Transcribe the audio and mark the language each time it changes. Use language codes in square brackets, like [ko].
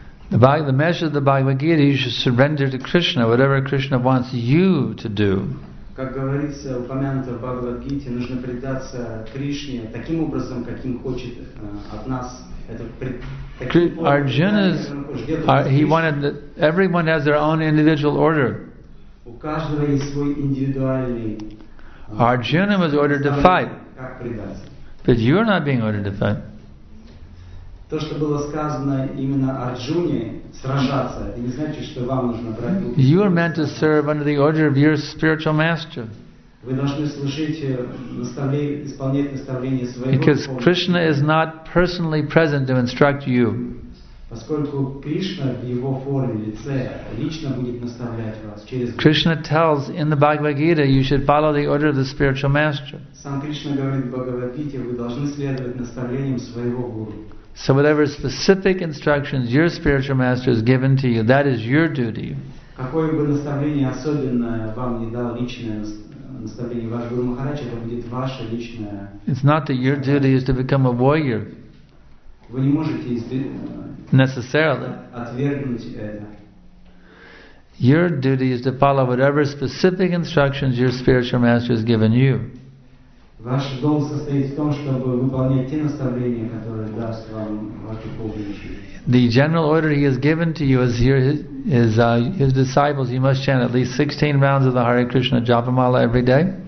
[en] The measure of the Bhagavad Gita, you should surrender to Krishna, whatever Krishna wants you to do. [ru] Как говорится, упомянуто в Бхагавад Гите, нужно предаться Кришне таким образом, каким хочет от нас. [en] He wanted that everyone has their own individual order. [ru] У каждого есть свой индивидуальный. [en] Arjuna was ordered to fight. But you're not being ordered to fight. [ru] То, что было сказано именно Арджуне, сражаться, это не значит, что вам нужно брать... [en] You are meant to serve under the order of your spiritual master. [ru] Вы должны служить, исполнять наставление своего... [en] Because Krishna is not personally present to instruct you. [ru] Поскольку Кришна в его форме, лице, лично будет наставлять вас через... [en] Krishna tells in the Bhagavad Gita, you should follow the order of the spiritual master. [ru] Сам Кришна говорит в Бхагавад Гите, вы должны следовать наставлениям своего гуру. [en] So whatever specific instructions your spiritual master has given to you, that is your duty. It's not that your duty is to become a warrior. Necessarily. Your duty is to follow whatever specific instructions your spiritual master has given you. [ru] Ваш долг состоит в том, чтобы выполнять те наставления, которые даст вам ваш учитель. [en] The general order he has given to you is here his disciples. You must chant at least 16 rounds of the Hare Krishna Japa Mala every day.